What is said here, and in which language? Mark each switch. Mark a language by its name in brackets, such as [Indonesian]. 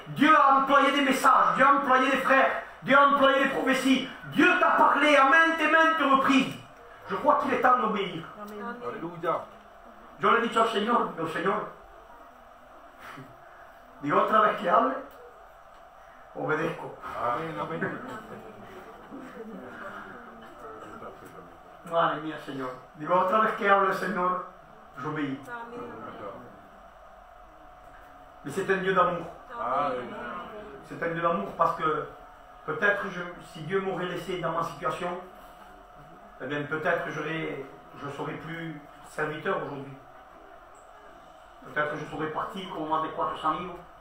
[French] Dieu a employé des messages. Dieu a employé des frères. Dieu a employé des prophéties. Dieu t'a parlé à maintes et maintes reprises. Je crois qu'il est temps d'obéir. Alléluia. Je l'ai dit au Seigneur, mais au Seigneur. [Spanish] Dis otra vez que hable, obedezco. Amén, amén. Madre mía, Señor. Digo otra vez que hable, Señor, yo me iré. [French] Mais c'est un Dieu d'amour. Amen. C'est un Dieu d'amour parce que peut-être je, si Dieu m'aurait laissé dans ma situation, eh bien peut-être je serais plus serviteur aujourd'hui. Peut-être je serais parti pour moins des 400 livres.